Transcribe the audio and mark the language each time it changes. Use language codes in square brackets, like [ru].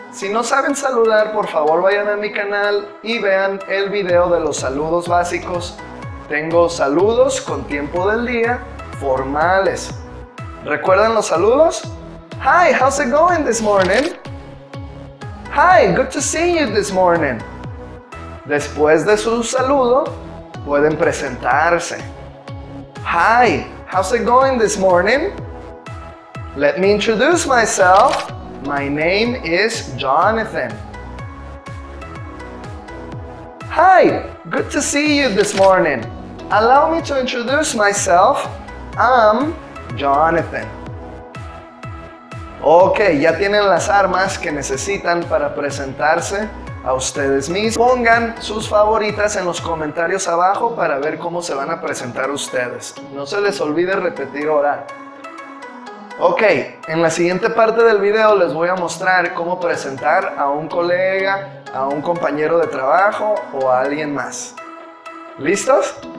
[es] Si no saben saludar, por favor vayan a mi canal y vean el video de los saludos básicos. Tengo saludos con tiempo del día formales. ¿Recuerdan los saludos? [en] Hi, how's it going this morning? Hi, good to see you this morning. [es] Después de su saludo, pueden presentarse. [en] Hi, how's it going this morning? Let me introduce myself. My name is Jonathan. Hi, good to see you this morning. Allow me to introduce myself. I'm Jonathan. [es] Ok, ya tienen las armas que necesitan para presentarse a ustedes mismos. Pongan sus favoritas en los comentarios abajo para ver cómo se van a presentar ustedes. No se les olvide repetir oral. Ok, en la siguiente parte del video les voy a mostrar cómo presentar a un colega, a un compañero de trabajo o a alguien más. ¿Listos?